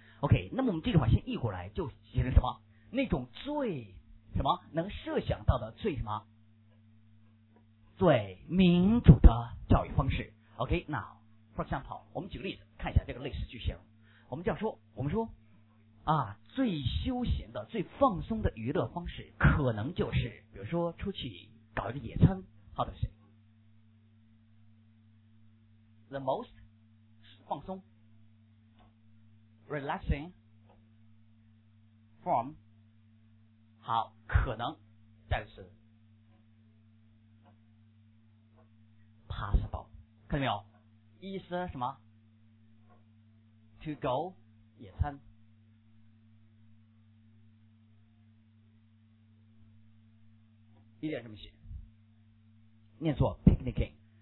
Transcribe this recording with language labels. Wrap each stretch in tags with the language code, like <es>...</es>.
<zh>OK， 那么我们这句话先译过来就写成什么？那种最什么能设想到的最什么最民主的教育方式。</zh> <en>OK， now for example，</en> <zh>我们举个例子看一下这个类似句型。我们这样说，我们说啊，最休闲的最放松的娱乐方式可能就是比如说出去搞一个野餐。好的，是</zh> <en>The most</en> <zh>放松</zh> <en>relaxing form。</en> <zh>好，可能，但是 possible， 看到没有？意思什么 ？</zh> <en>To go</en> <zh>野餐 一点这么写，念作 picnicking。</zh>